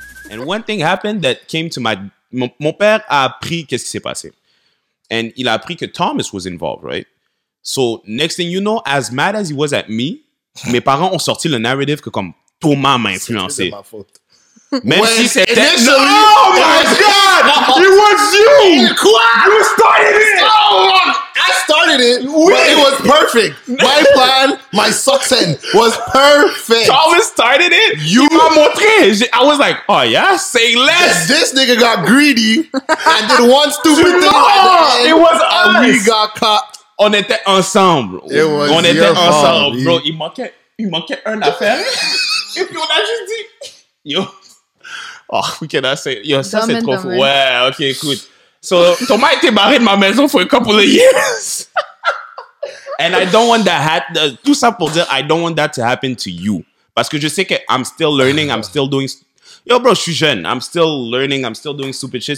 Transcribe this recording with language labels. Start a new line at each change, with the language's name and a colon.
English: And one thing happened that came to my...
French: Mon père a appris qu'est-ce qui s'est passé.
English: And
French: il a appris que
English: Thomas was involved, right?
French: So,
English: next thing you know, as mad as he was at me,
French: mes parents ont sorti le narrative que comme Thomas m'a influencé. C'est ma faute. Même ouais, si c'était...
English: Oh my God! It was you!
French: Quoi?
English: You started it! Oh, I started it, oui. But it was perfect. My plan, my success was perfect. Thomas started it? You
French: m'a montré.
English: I was like, oh yeah? Say less. This nigga got greedy and did one stupid thing. No, it was us. And we got caught.
French: On était ensemble.
English: It was on your
French: était ensemble, bro. Il manquait un affaire. Et puis on a juste dit... Yo...
English: Oh, we cannot say...
French: Yo, ça, c'est trop fou. Ouais, OK, écoute. So, Thomas a été barré de ma maison
English: for a couple of years. And I don't want that...
French: tout ça pour dire,
English: I don't want that to happen to you.
French: Parce que je sais que
English: I'm still learning, I'm still doing... Yo, bro,
French: je suis jeune.
English: I'm still learning, I'm still doing stupid shit.